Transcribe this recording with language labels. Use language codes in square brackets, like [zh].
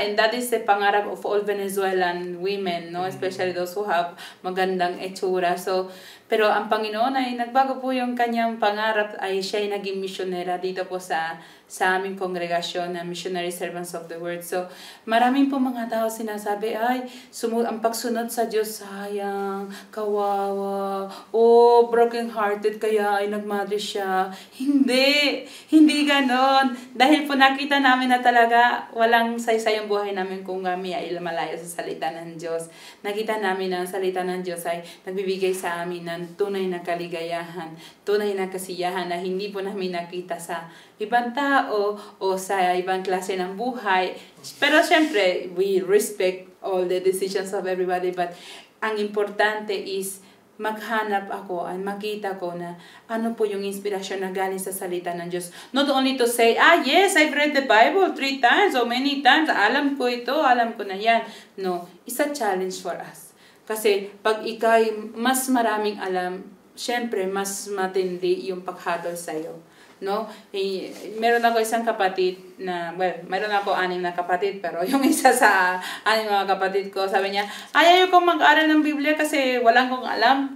[en] And that is the pangarap of all Venezuelan women, no? Mm-hmm. Especially those who have [tl] magandang etsura. So, pero ang Panginoon ay nagbago po yung kanyang pangarap ay siya ay naging misyonera dito po sa aming kongregasyon na Missionary Servants of the World. So, maraming po mga tao sinasabi, ay, ang pagsunod sa Diyos, sayang, kawawa, oh, broken-hearted, kaya ay nagmadre siya. Hindi ganon. Dahil po nakita namin na talaga, walang saysay ang buhay namin kung kami ay malayo sa salita ng Diyos. Nakita namin na ang salita ng Diyos ay nagbibigay sa amin ng tunay na kaligayahan, tunay na kasiyahan na hindi po namin nakita sa ibang tao o sa ibang klase ng buhay. Pero syempre, [en] we respect all the decisions of everybody. [tl] But ang importante is maghanap ako at makita ko na ano po yung inspirasyon na galing sa salita ng Diyos. [en] Not only to say, ah yes, I've read the Bible 3 times or many times. [tl] Alam ko ito, alam ko na yan. No, [en] it's a challenge for us. [tl] Kasi pag ikay mas maraming alam, syempre mas matindi yung paghatol sa'yo. No, meron ako isang kapatid na, well, meron ako 6 na kapatid, pero yung isa sa 6 mga kapatid ko, sabi niya, ayaw kong mag-aral ng Biblia kasi walang kong alam.